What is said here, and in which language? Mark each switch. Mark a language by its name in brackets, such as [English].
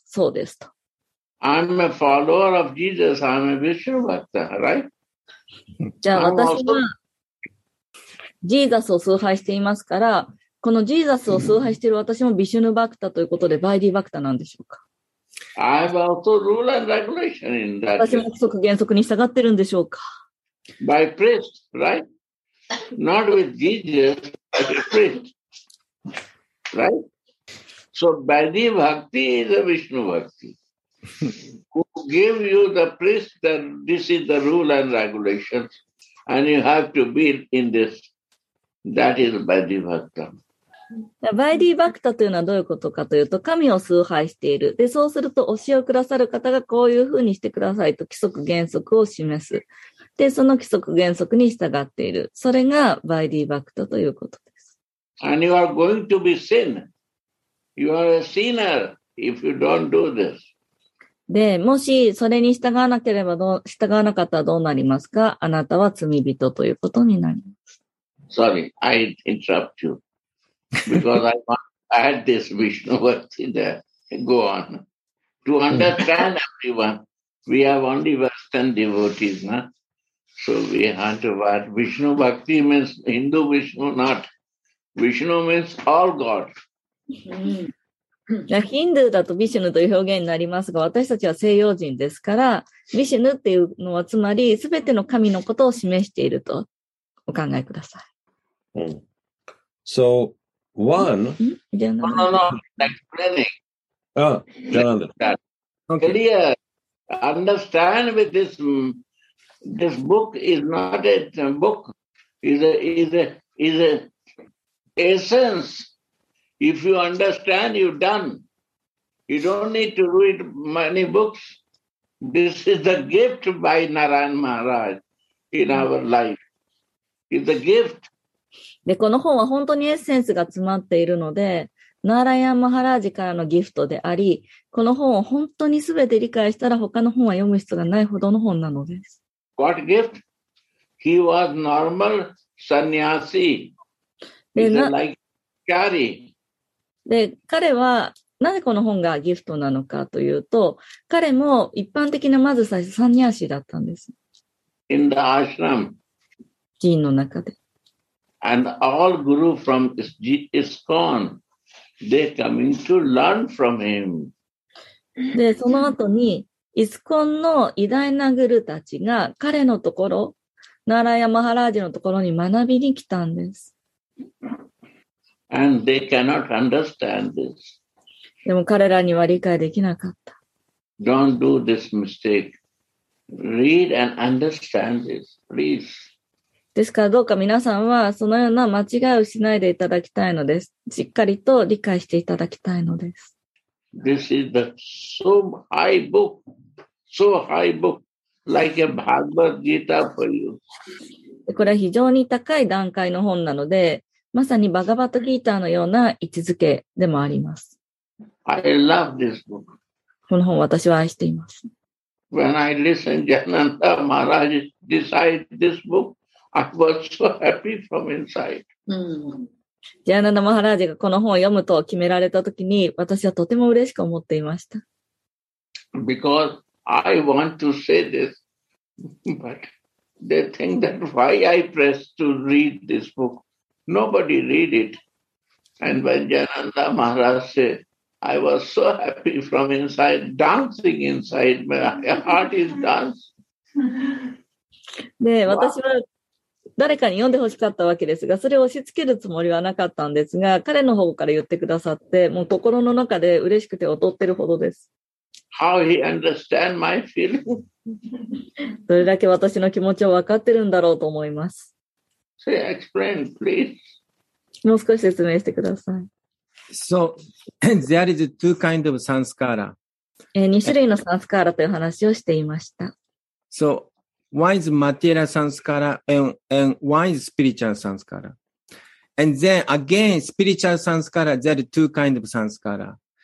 [Japanese] そうですと。 [English] I'm a follower of Jesus. I'm a Vishnu Bhakta, right? [Japanese] じゃあ、私はジーザスを崇拝していますから、このジーザスを崇拝している私もビシュヌ・バクタということで、バイディ・バクタなんでしょうか。 [English] I have also rule and regulation in that. [Japanese] 私も規則原則に従ってるんでしょうか。 [English] By priest, right? Not with Jesus, but with priest, right? So Vaidhi Bhakti is a Vishnu Bhakti who gave you the priest that this is the rule and regulation, and you have to be in this. That is Vaidhi Bhakti. [Japanese] バイディ・バクタというのはどういうことかというと、神を崇拝している。で、そうすると教えをくださる方がこういうふうにしてくださいと規則原則を示す。で、その規則原則に従っている。それがバイディ・バクタということです。 [English] And you are going to be sin. You are a sinner if you don't do this. [Japanese] で、もしそれに従わなければ従わなかったらどうなりますか？あなたは罪人ということになります。 [English] Sorry, I interrupt you. Because I want to add this Vishnu verse in there. Go on. To understand everyone, we have only Western devotees, na? So we have to add Vishnu Bhakti means Hindu Vishnu, not. Vishnu means all God. [Japanese] Hindu だと Vishnu という表現になりますが、私たちは西洋人ですから、Vishnu っていうのはつまり全ての神のことを示しているとお考えください。 [English] So,One, no, explaining. Clear. Understand with this book is not a book, is a essence. If you understand, you're done. You don't need to read many books. This is the gift by Narayan Maharaj in our life. It's a gift. [Japanese] でこの本は本当にエッセンスが詰まっているのでナーラヤン・マハラージからのギフトでありこの本を本当に全て理解したら他の本は読む必要がないほどの本なのです。 [English] What gift? He was normal sannyasi. He's like Kari. [Japanese] で彼はなぜこの本がギフトなのかというと彼も一般的なまず最初サンニャーシーだったんです。 [English] In the ashram. [Japanese] 寺院の中で。 [English] And all guru from ISKCON, they coming to learn from him. [Japanese] で、その後に、イスコンの偉大なグルたちが彼のところ、ナーラヤマハラージのところに学びに来たんです。 [English] And they cannot understand this. [Japanese] でも彼らには理解できなかった。 [English] Don't do this mistake. Read and understand this, please. [Japanese] ですからどうか皆さんはそのような間違いをしないでいただきたいのです。しっかりと理解していただきたいのです。 [English] This is the so high book, so high book, like a Bhagavad Gita for you. [Japanese] これは非常に高い段階の本なので、まさにバガバトギーターのような位置づけでもあります。 [English] I love this book. [Japanese] この本私は愛しています。 [English] When I listen Jananda Maharaj decide this book,I was so happy from inside. [Japanese] ジャーナナ・マハラージがこの本を読むと決められたときに私はとても嬉しく思っていました。 [English] Because I want to say this, but they think that why I press to read this book. Nobody read it. And when Jananda Maharaj said, I was so happy from inside, dancing inside, my heart is dancing. [Japanese] で、私は誰かに読んでほしかったわけですが、それを押し付けるつもりはなかったんですが、彼の方から言ってくださって、もう心の中で嬉しくて踊ってるほどです。 [English] How he understand my feeling. [Japanese] どれだけ私の気持ちを分かってるんだろうと思います。 [English] So explain, please. [Japanese] もう少し説明してください。 [English] So, there is two kind of sanskara. [Japanese] 2種類のサンスカーラという話をしていました。 [English] So,One is material sanskara and one is spiritual sanskara. And then again, spiritual sanskara, there are two kinds of sanskara.